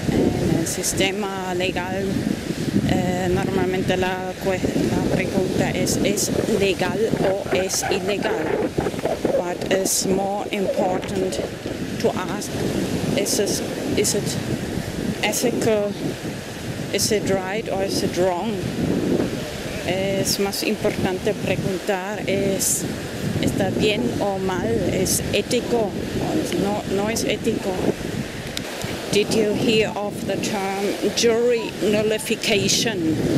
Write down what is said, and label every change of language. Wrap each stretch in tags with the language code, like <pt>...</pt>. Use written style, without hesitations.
<es>En el sistema legal, normalmente la pregunta es legal o es ilegal?</es> <en>But it's more important to ask, is it ethical? Is it right or is it wrong?</en> <es>Es más importante preguntar, ¿está bien o mal? ¿Es ético? No, no es ético.</es> <en>Did you hear of the term jury nullification?</en>